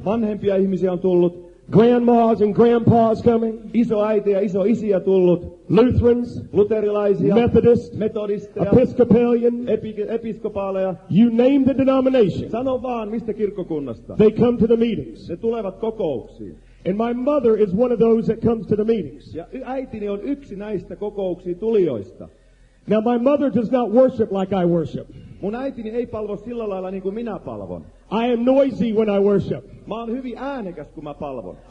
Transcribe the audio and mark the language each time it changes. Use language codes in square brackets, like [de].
[fi] Vanhempia ihmisiä on tullut. [en] Grandmas and grandpas coming. [fi] Isoäitejä, isoisiä tullut. [en] Lutherans. [fi] Luterilaisia. [en] Methodists. [fi] Metodisteja. [en] Episcopalian. [fi] Episkopaaleja. [en] You name the denomination. [fi] Sano vaan, mistä kirkkokunnasta. [en] They come to the meetings. [fi] Ne tulevat kokouksiin. [en] And my mother is one of those that comes to the meetings. [fi] Ja äitini on yksi näistä kokouksiin tulijoista. [en] Now my mother does not worship like I worship. [fi] Mun äitini ei palvo sillä lailla niin kuin minä palvon. [en] I am noisy when I worship. [fi] Mä oon hyvin äänekäs, kun mä palvon.